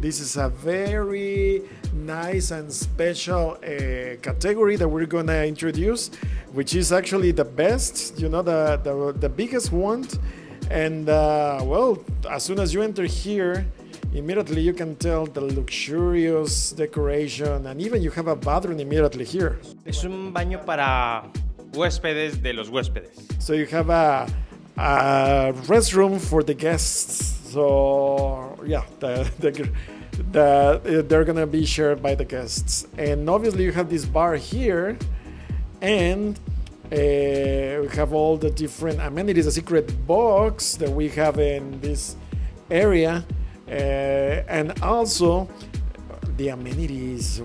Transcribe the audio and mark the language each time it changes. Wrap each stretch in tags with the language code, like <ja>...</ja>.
<en>This is a very nice and special category that we're gonna introduce, which is actually the best, you know, the biggest one. And well, as soon as you enter here, immediately you can tell the luxurious decoration, and even you have a bathroom immediately here.</en> <es>Es un baño para huéspedes de los huéspedes.</es> <en>So you have a restroom for the guests. So yeah, they're gonna be shared by the guests, and obviously you have this bar here, and we have all the different amenities, a secret box that we have in this area, and also the amenities.</en>